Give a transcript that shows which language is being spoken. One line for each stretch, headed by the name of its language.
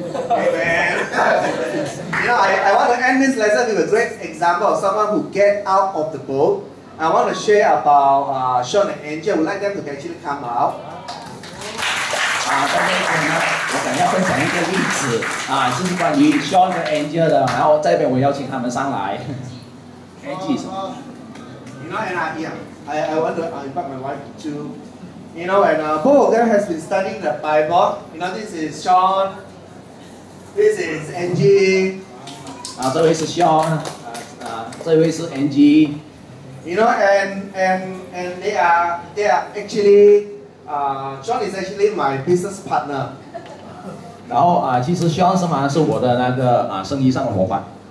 English: Amen. You know, I want to end this lesson with a great example of someone who get out of the boat. I want to share about Sean and Angel. Would like them to actually come out.
Chinese: 大家可以呢，我想要分享一个例子是关于 Sean 和 Angel 的。然后这边我邀请他们上来。Angel 什么
English: ？You know, and I want to invite my wife too. You know, and both of them has been studying the Bible. You know, this is Sean. This is Angel.
Chinese: 这位是 Sean. 这位是 Angel.
English: You know, and they are actually, John is actually my business partner.
Chinese: 然后其实 Sean 是吗？是我的那个生意上的伙伴。